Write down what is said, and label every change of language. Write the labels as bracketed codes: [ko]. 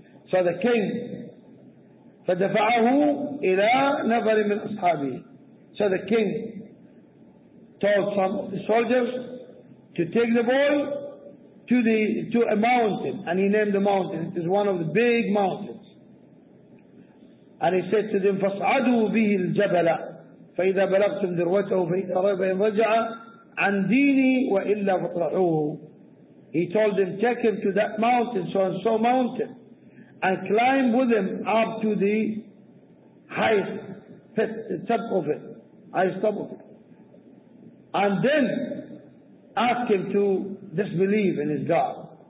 [en] So the king, [ar] فَدَفَعَهُ إِلَىٰ نَفَرٍ مِنْ أَصْحَابِهِ. [en] So the king told some of the soldiers to take the boy to a mountain, and he named the mountain. It is one of the big mountains. And he said to them, [ar] فَصْعَدُوا بِهِ الْجَبَلَ فَإِذَا بَلَغْتُمْ ذِرْوَتَهُ فَإِذَا رَيْبَهِمْ رَجَعَ عَنْ دِينِي وَإِلَّا فَطْرَحُوهُ. [en] He told them, take him to that mountain, so and so mountain, and climb with him up to the highest top of it, highest top of it. And then ask him to disbelieve in his God.